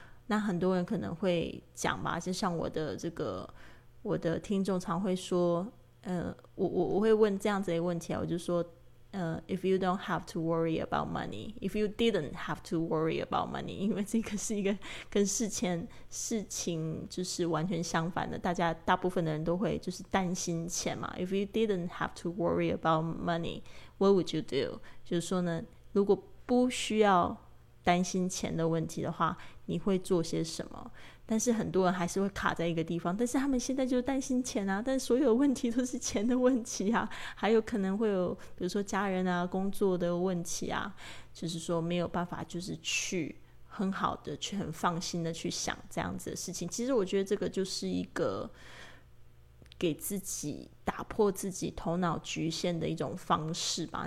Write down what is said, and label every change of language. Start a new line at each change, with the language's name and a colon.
Chinese: 那很多人可能会讲吧，就像我的这个我的听众常会说我会问这样子的问题啊，我就说
English: If you don't have to worry about money,
Chinese: if you didn't have to worry about money， 因为这个是一个跟事情就是完全相反的，大家大部分的人都会就是担心钱嘛。
English: If you didn't have to worry about money, what would you do？
Chinese: 就是说呢，如果不需要担心钱的问题的话，你会做些什么？但是很多人还是会卡在一个地方，但是他们现在就担心钱啊，但所有问题都是钱的问题啊，还有可能会有比如说家人啊工作的问题啊，就是说没有办法就是去很好的去很放心的去想这样子的事情。其实我觉得这个就是一个给自己打破自己头脑局限的一种方式吧。